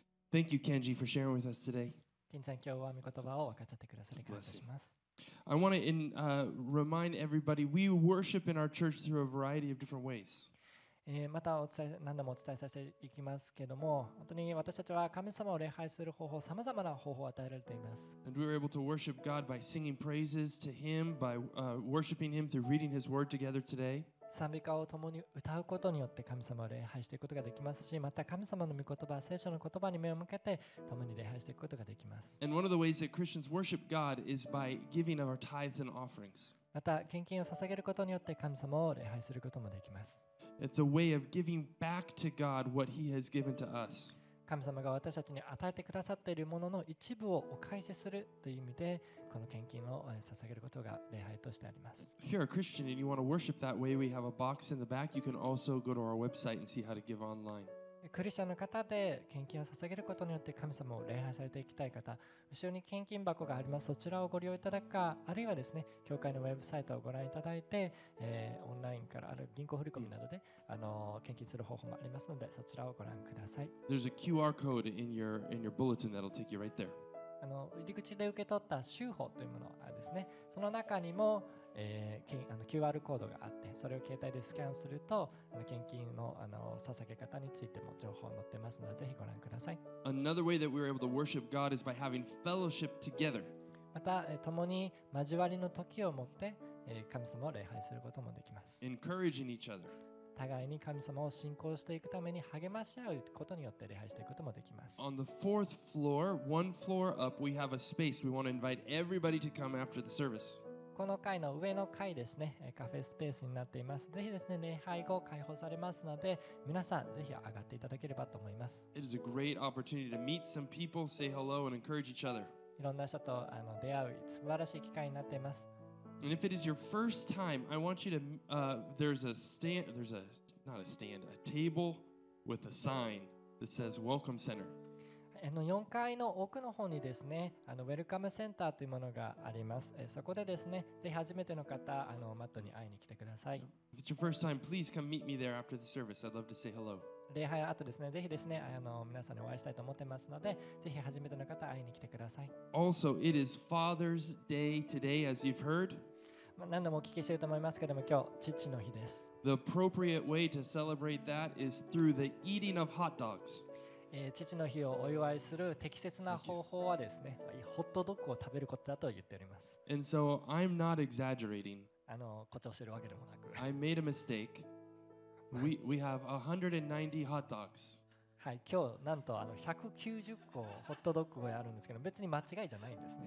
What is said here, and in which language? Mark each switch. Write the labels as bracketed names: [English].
[English] Thank you, Kenji, for sharing with us today. [Japanese] ケンジさん、今日は御言葉を分かち合ってくださり、感謝します。 [English] I want to remind everybody, we worship in our church through a variety of different ways. [Japanese] またお伝え、何度もお伝えさせていきますけども、本当に私たちは神様を礼拝する方法、様々な方法を与えられています。 [English] And we were able to worship God by singing praises to Him, by worshiping Him through reading His Word together today. [Japanese] 賛美歌を共に歌うことによって神様を礼拝していくことができますし、また神様の御言葉、聖書の言葉に目を向けて共に礼拝していくことができます。 [English] And one of the ways that Christians worship God is by giving of our tithes and offerings. [Japanese] また献金を捧げることによって神様を礼拝することもできます。 [English] It's a way of giving back to God what He has given to us. [Japanese] 神様が私たちに与えてくださっているものの一部をお返しするという意味でこの献金を捧げることが礼拝としてあります。 [English] If you're a Christian and you want to worship that way, we have a box in the back. You can also go to our website and see how to give online. [Japanese] クリスチャンの方で献金を捧げることによって神様を礼拝されていきたい方、後ろに献金箱があります。そちらをご利用いただくか、あるいはですね、教会のウェブサイトをご覧いただいて、オンラインからある銀行振込などで、献金する方法もありますので、そちらをご覧ください。 [English] There's a QR code in your bulletin that'll take you right there. [Japanese] 入り口で受け取った収報というものはですね、その中にも、QR コードがあってそれを携帯でスキャンすると献金 の捧げ方についても情報載ってますのでぜひご覧ください。 [English] Another way that we're able to worship God is by having fellowship together. [Japanese] また共に交わりの時を持って神様を礼拝することもできます。 [English] Encouraging each other. [Japanese] 互いに神様を信仰していくために励まし合うことによって礼拝していくこともできます。 [English] On the fourth floor, one floor up, we have a space. We want to invite everybody to come after the service. [Japanese] この階の上の階ですね、カフェスペースになっています。ぜひですね、礼拝後開放されますので、皆さんぜひ上がっていただければと思います。 [English] It is a great opportunity to meet some people, say hello, and encourage each other. [Japanese] いろんな人と出会う素晴らしい機会になっています。 [English] And if it is your first time, I want you to, there's a stand, there's a, not a stand, a table with a sign that says Welcome Center. [Japanese] 4階の奥の方にですね、ウェルカムセンターというものがあります。そこでですね、ぜひ初めての方、マットに会いに来てください。 [English] If it's your first time, please come meet me there after the service. I'd love to say hello. [Japanese] 礼拝後ですね、ぜひですね、皆さんにお会いしたいと思ってますので、ぜひ初めての方、会いに来てください。 [English] Also, it is Father's Day today, as you've heard. [Japanese] 何度もお聞きしていると思いますけども、今日、父の日です。 [English] The appropriate way to celebrate that is through the eating of hot dogs. [Japanese] 父の日をお祝いする適切な方法はですね、ホットドッグを食べることだと言っております。 [English] And so I'm not exaggerating. [Japanese] 誇張してるわけでもなく。 [English] I made a mistake. We have 190 hot dogs. [Japanese] はい、今日なんと190個ホットドッグがあるんですけど、別に間違いじゃないんですね。